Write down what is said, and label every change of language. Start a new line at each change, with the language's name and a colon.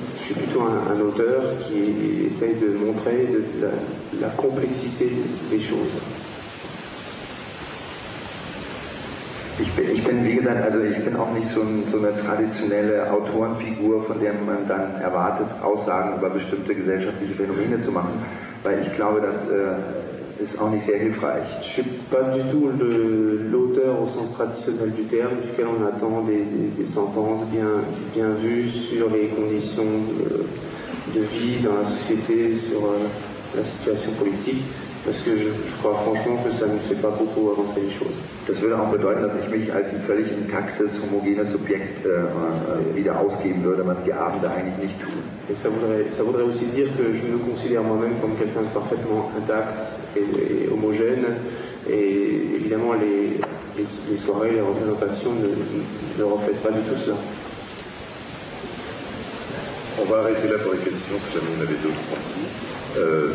French: Je suis plutôt un auteur qui essaye de montrer la complexité des choses.
German: Ich bin, wie gesagt, also ich bin auch nicht so eine traditionelle Autorenfigur, von der man dann erwartet, Aussagen über bestimmte gesellschaftliche Phänomene zu machen, weil ich glaube, das ist auch nicht sehr hilfreich.
French: Je suis pas du tout l'auteur au sens traditionnel du terme, duquel on attend des sentences bien vues sur les conditions de vie dans la société, sur la situation politique. Parce que je crois franchement que ça ne fait pas beaucoup avancer les choses.
German: Das würde auch bedeuten, dass ich mich als ein völlig intaktes, homogenes Subjekt wieder ausgeben würde, was die Abende eigentlich nicht tun.
French: Et ça voudrait aussi dire que je me considère moi-même comme quelqu'un de parfaitement intact et homogène. Et évidemment, les soirées, les représentations ne reflètent pas du tout cela. On va arrêter là pour les questions, si jamais on avait d'autres.